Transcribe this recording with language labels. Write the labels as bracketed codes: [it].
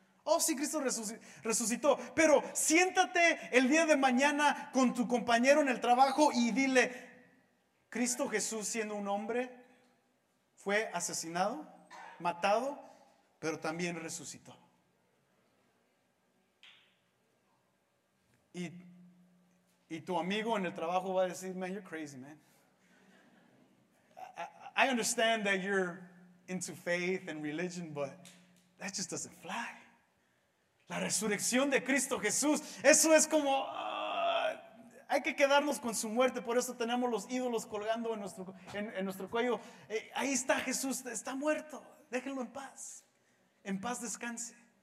[es] Oh, sí, Cristo resucitó. Pero siéntate el día de mañana con tu compañero en el trabajo y dile: Cristo Jesús, siendo un hombre, fue asesinado, matado, pero también resucitó. Y tu amigo en el trabajo va a decir: [en] man, you're crazy, man. I understand that you're into faith and religion, but that just doesn't fly. [es] La resurrección de Cristo Jesús, eso es como, Hay que quedarnos con su muerte. Por eso tenemos los ídolos colgando en nuestro cuello. Ahí está Jesús, está muerto. Déjenlo en paz. En paz descanse.